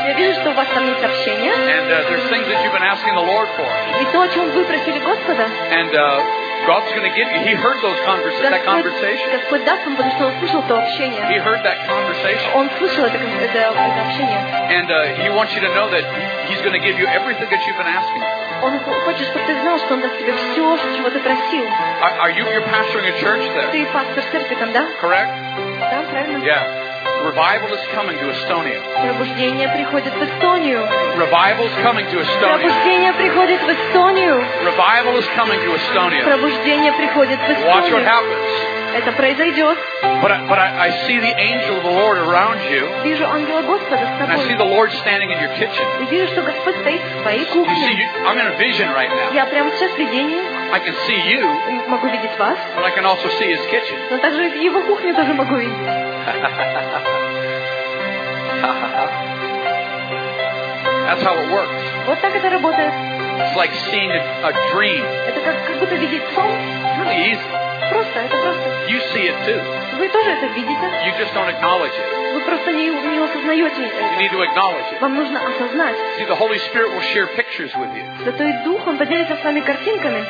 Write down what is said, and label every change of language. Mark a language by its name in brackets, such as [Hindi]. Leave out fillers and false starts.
[English] And there's things that you've been asking the Lord for. And God's going to give you. He heard those conversation. He heard that conversation. And he wants you to know that he's going to give you everything that you've been asking. [Russian] Он хочет, чтобы ты знал, что он даст тебе все, чего ты просил. [English] Are you, you're pastoring a church there? [Russian] Ты пастор церкви там, да? [English] Correct? [Russian] Да, правильно. [English] Yeah. Revival is coming to Estonia. [Russian] Пробуждение приходит в Эстонию. [English] Revival is coming to Estonia. [Russian] Пробуждение приходит в Эстонию. [English] Revival is coming to Estonia. [Russian] Пробуждение приходит в Эстонию. [English] Watch what happens. [Russian] Это произойдет. [English] But I see the angel of the Lord around you. [Russian] Вижу ангела Господа с тобой. [English] And I see the Lord standing in your kitchen. [Russian] И вижу, что Господь стоит в твоей кухне. [English] You see, I'm in a vision right now. [Russian] Я прямо сейчас в видении. [English] I can see you. [Russian] Могу видеть вас. [English] But I can also see his kitchen. [Russian] Но также и его кухню тоже могу видеть. [English] That's how it works. [Russian] Вот так это работает. [English] It's like seeing a dream. [Russian] Это как будто видеть сон. [English] Really easy. [Russian] Просто. [English] You see it too. [Russian] Вы тоже это видите. [English] You just don't acknowledge it. [Russian] Вы просто не осознаете это. [English] You need to acknowledge it. [Russian] Вам нужно осознать. [English] See, the Holy Spirit will share pictures with you. [Russian] Святой Дух, он поделится с вами картинками.